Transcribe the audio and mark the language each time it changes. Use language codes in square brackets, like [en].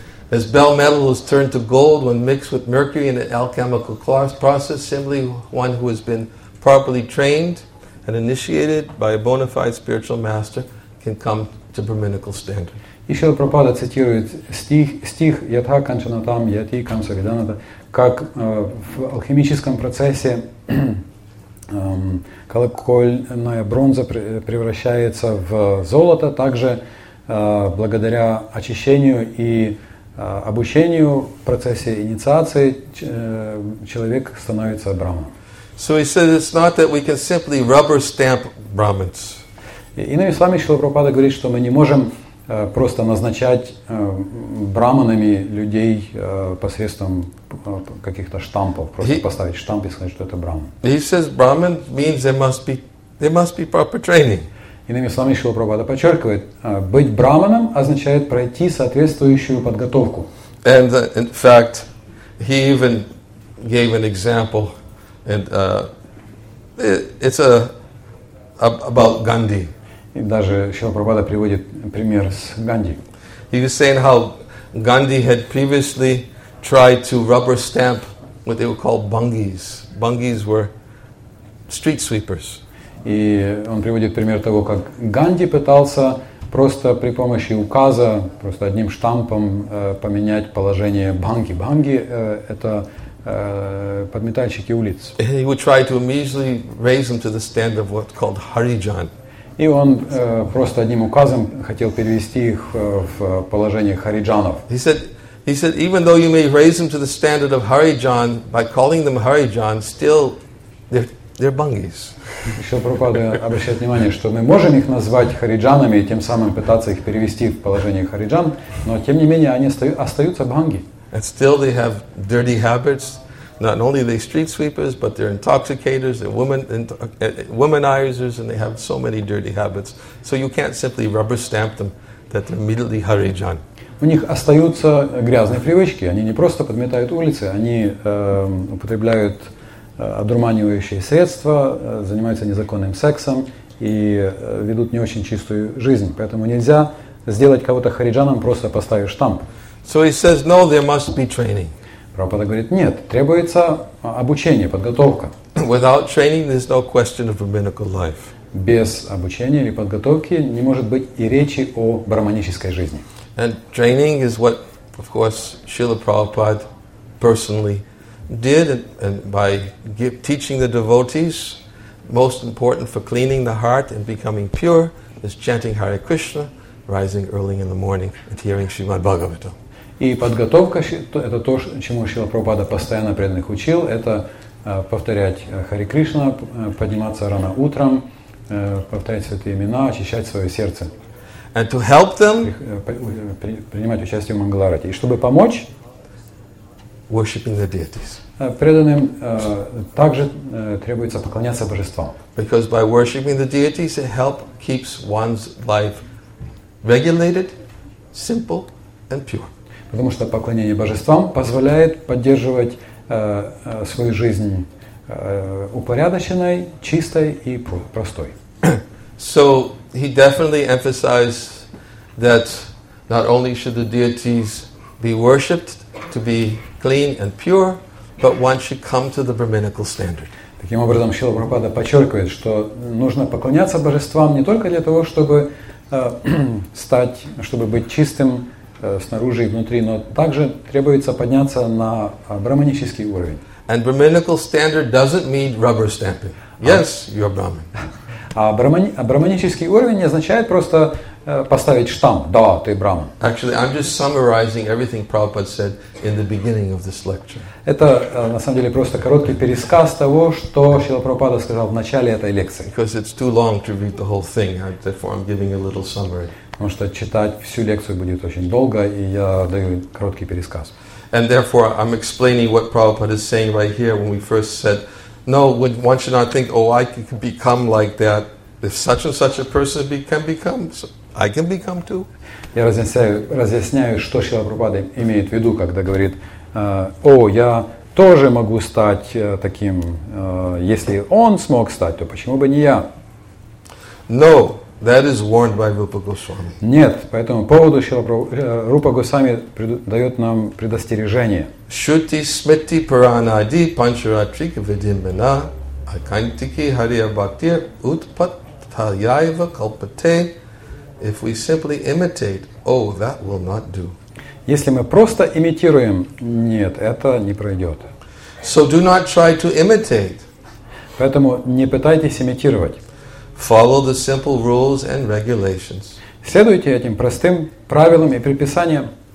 [en] As bell metal is turned to gold when mixed with mercury in an alchemical process, simply one who has been properly trained and initiated by a bona fide spiritual master can come to brahminical standard. [ru] И Шрила Прабхупада цитирует стих [sa] «Ятха канчанатам яти камса виданата», [ru] как в алхимическом процессе колокольная бронза превращается в золото, также благодаря очищению и обучению в процессе инициации человек становится брахманом. [en] So he says it's not that we can simply rubber stamp Brahmins. [ru] Иными словами, Шрила Прабхупада говорит, что мы не можем просто назначать брахманами людей посредством каких-то штампов, просто поставить штамп и сказать, что это брахман. [en] He says Brahmin means there must be proper training. [ru] Иными словами, Шрила Прабхупада подчеркивает, быть брахманом означает пройти соответствующую подготовку. [en] And in fact, he even gave an example. And it's about Gandhi. [ru] И даже Шрила Прабхупада приводит пример с Ганди. [en] He was saying how Gandhi had previously tried to rubber stamp what they would call bungies. Bungies were street sweepers. [ru] И он приводит пример того, как Ганди пытался просто при помощи указа, просто одним штампом поменять положение банги. Банги это подметальщики улиц. [en] He would try to immediately raise them to the standard of what called Harijan. [ru] И он просто одним указом хотел перевести их в положение Хариджанов. [en] He said, even though you may raise them to the standard of Harijan by calling them Harijan, still they're bungies. [ru] Еще Прабхупада обращает внимание, что мы можем их назвать хариджанами и тем самым пытаться их перевести в положение хариджан, но тем не менее они остаются банги. [en] And still they have dirty habits. Not only are they street sweepers, but they're intoxicators, they're womanizers, and they have so many dirty habits. So you can't simply rubber stamp them that they're immediately Harijan. [ru] У них остаются грязные привычки. Они не просто подметают улицы, они употребляют одурманивающие средства, занимаются незаконным сексом и ведут не очень чистую жизнь. Поэтому нельзя сделать кого-то хариджаном, просто поставив штамп. [en] So he says, no, there must be training. [ru] Прабхупада говорит, нет, требуется обучение, подготовка. [en] Without training, there's no question of brahminical life. [ru] Без обучения или подготовки не может быть и речи о брахманической жизни. [en] And training is what, of course, Srila Prabhupada personally did, and by teaching the devotees, most important for cleaning the heart and becoming pure is chanting Hare Krishna, rising early in the morning and hearing Srimad Bhagavatam. [ru] И подготовка, это то, чему Шрила Прабхупада постоянно преданных учил, это повторять Хари Кришна, подниматься рано утром, повторять святые имена, очищать свое сердце. [en] And to help them, [ru] принимать участие в Мангаларати. И чтобы помочь [en] worshiping the deities. [ru] Преданным также требуется поклоняться божествам. [en] Because by worshiping the deities, it helps keeps one's life regulated, simple and pure. [ru] Потому что поклонение божествам позволяет поддерживать свою жизнь упорядоченной, чистой и простой. [en] So he definitely emphasized that not only should the deities be worshipped to be clean and pure, but one should come to the brahminical standard. [ru] Таким образом, Шрила Прабхупада подчеркивает, что нужно поклоняться божествам не только для того, чтобы стать, чтобы быть чистым снаружи и внутри, но также требуется подняться на брахманический уровень. [en] And brahminical standard doesn't mean rubber stamping. Yes, you're Brahmin. [ru] А брахманический уровень не означает просто поставить штамп. Да, ты Брахман. [en] Actually, I'm just summarizing everything Prabhupada said in the beginning of this lecture. [ru] Это на самом деле просто короткий пересказ того, что Шрила Прабхупада сказал в начале этой лекции. [en] Because it's too long to read the whole thing, therefore I'm giving a little summary. [ru] Потому что читать всю лекцию будет очень долго, и я даю короткий пересказ. [en] And therefore, I'm explaining what Prabhupada is saying right here when we first said, no, one should not think, oh, I can become like that. If such and such a person can become, so I can become too. [ru] Я разъясняю, что Шрила Прабхупада имеет в виду, когда говорит, о, я тоже могу стать таким. Если он смог стать, то почему бы не я? [en] No. That is warned by Rupa Goswami. [ru] Нет, по этому поводу Рупа Госвами дает нам предостережение. [sa] Shuti smriti puranadi pancharatrika vidimena akantiki hariya bhaktir utpatthayaiva kalpate. [en] If we simply imitate, oh, that will not do. [ru] Если мы просто имитируем, нет, это не пройдет. [en] So do not try to imitate. [ru] Поэтому не пытайтесь имитировать. [en] Follow the simple rules and regulations. [ru] Следуйте этим простым правилам и предписаниям.